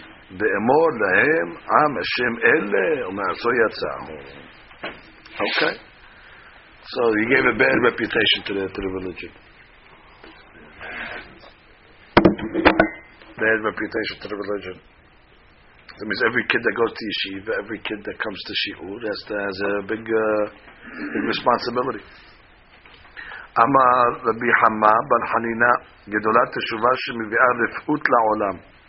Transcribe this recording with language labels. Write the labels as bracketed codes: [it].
[he] ואמור להם עם השם אלה ומעשו יצאו. [en] Okay, so he gave a bad reputation to the religion. Bad reputation to the religion. That means every kid that goes to yeshiva, every kid that comes to shiur, has a big responsibility. [he] אמר רבי חמא בן חנינא גדולה תשובה שמביאה רפאות לעולם.